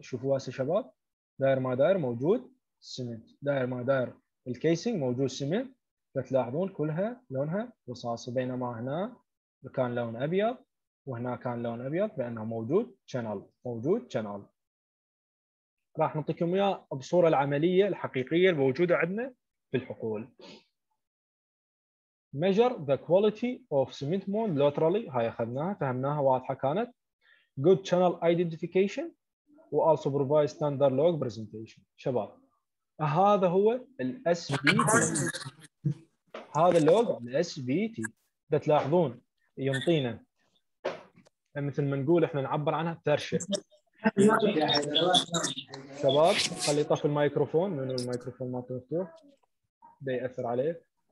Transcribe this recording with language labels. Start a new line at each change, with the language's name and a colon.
Arabic: شوفوا هسه شباب داير ما داير موجود سمنت، داير ما داير الكيسينج موجود سمنت، فتلاحظون كلها لونها رصاصي، بينما هنا كان لون ابيض وهنا كان لون ابيض بانه موجود شانل موجود شانل. راح نعطيكم اياه بصوره العمليه الحقيقيه الموجوده عندنا في الحقول.
English: Measure the quality of cement mold laterally.
Arabic: هاي اخذناها فهمناها واضحه كانت.
English: Good channel identification و also provide standard log presentation.
Arabic: شباب هذا هو ال SVT. هذا اللوج ال SVT بتلاحظون يعطينا مثل ما نقول احنا نعبر عنها ترشه. شباب خلي طفي المايكروفون لانه المايكروفون ما مفتوح بيأثر عليه.